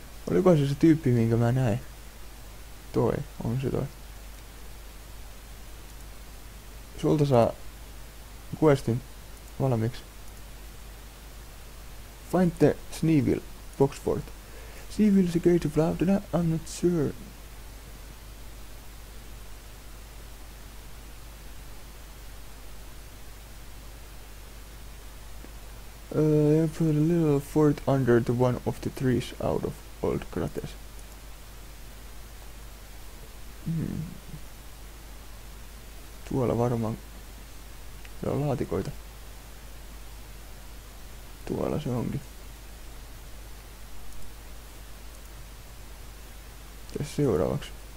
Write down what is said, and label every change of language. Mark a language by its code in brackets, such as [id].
[fi] Oliko se tyyppi, minkä mä näin? Toi, on se toi. Sulta saa questin valmiiksi. [en] Find the Sneevil, Boxford. Sneevil is a gate of love, I'm not sure. I put a little fort under the one of the trees out of old crates. [fi] Tuolla varmaan se on laatikoita. Tuolla se onkin. Tässä seuraavaksi.